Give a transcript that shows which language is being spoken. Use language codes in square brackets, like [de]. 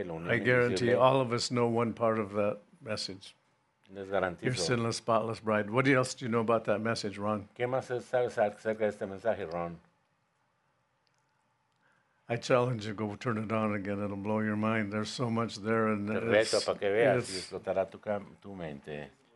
[en] I guarantee all of us know one part of that message. Your sinless, spotless bride. What else do you know about that message, Ron? [es] ¿Qué más sabes acerca de este mensaje, Ron? [en] I challenge you, go turn it on again. It'll blow your mind. There's so much there, and [es] te reto para que veas y explotará tu mente.